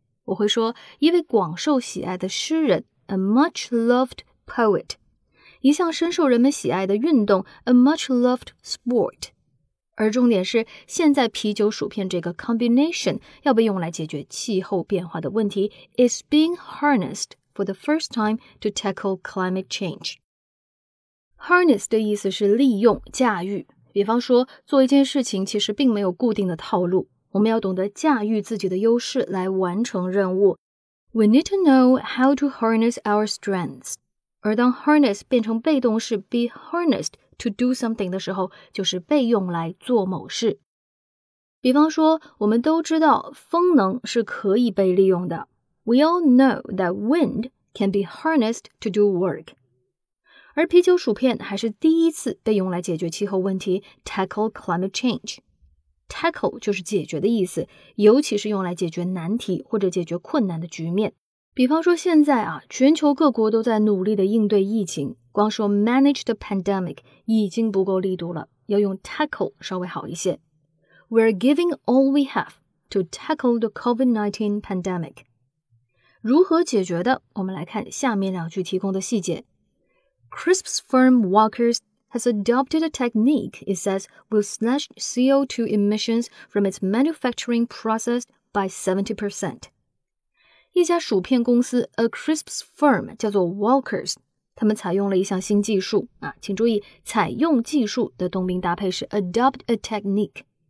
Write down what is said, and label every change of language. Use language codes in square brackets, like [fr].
[zh] 我会说一位广受喜爱的诗人 [en] a much loved poet, [zh] 一项深受人们喜爱的运动 [en] a much loved sport, [zh] 而重点是现在啤酒薯片这个 combination 要被用来解决气候变化的问题 [en] is being harnessed for the first time to tackle climate change. [zh] Harness 的意思是利用、驾驭，比方说做一件事情其实并没有固定的套路，我们要懂得驾驭自己的优势来完成任务。 [en] We need to know how to harness our strengths. [zh] 而当 harness 变成被动式 [en] be harnessed to do something [zh] 的时候，就是被用来做某事。比方说，我们都知道风能是可以被利用的。 [en] We all know that wind can be harnessed to do work. [zh] 而啤酒薯片还是第一次被用来解决气候问题 [en] tackle climate change. [zh] Tackle 就是解决的意思，尤其是用来解决难题或者解决困难的局面。比方说现在啊，全球各国都在努力的应对疫情，光说 [en] manage the pandemic [zh] 已经不够力度了，要用 tackle 稍微好一些。 [en] We're giving all we have to tackle the COVID-19 pandemic. [zh] 如何解决的？我们来看下面两句提供的细节。 [en] Crisps firm Walkers. Has adopted a technique it says will slash CO2 emissions from its manufacturing process by 70%. [zh] 一家薯片公司 [en] a crisps firm [zh] 叫做 Walkers, 他们采用了一项新技术啊，请注意采用技术的动宾搭配是 [en] adopt a technique.